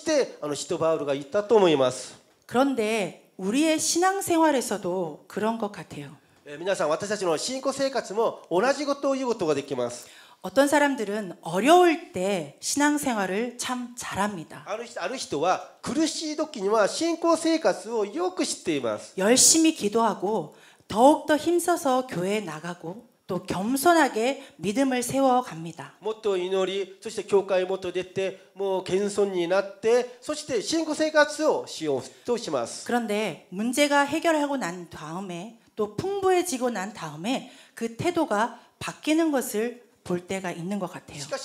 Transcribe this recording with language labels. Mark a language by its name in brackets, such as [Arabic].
[Japanese] こういう意味からもっとたくさん欲しがらないと意味としてあの人バウルが言ったと思います。 [Korean] 그런데 우리의 신앙생활에서도 그런 것 같아요. [Japanese] 皆さん私たちの信仰生活も同じことを言うことができます。 [Korean] 어떤 사람들은 어려울 때 신앙생활을 참 잘합니다. [Japanese] ある人は苦しい時には信仰生活をよく知っています。 [Korean] 열심히 기도하고 더욱더 힘써서 교회에 나가고 또 겸손하게 믿음을 세워갑니다. [Japanese] もっと祈り、そして教会もっと出て、もう謙遜になって、そして信仰生活をしようとします。 [Korean] 그런데 문제가 해결하고 난 다음에 또 풍부해지고 난 다음에 그 태도가 바뀌는 것을 볼 때가 있는 것 같아요.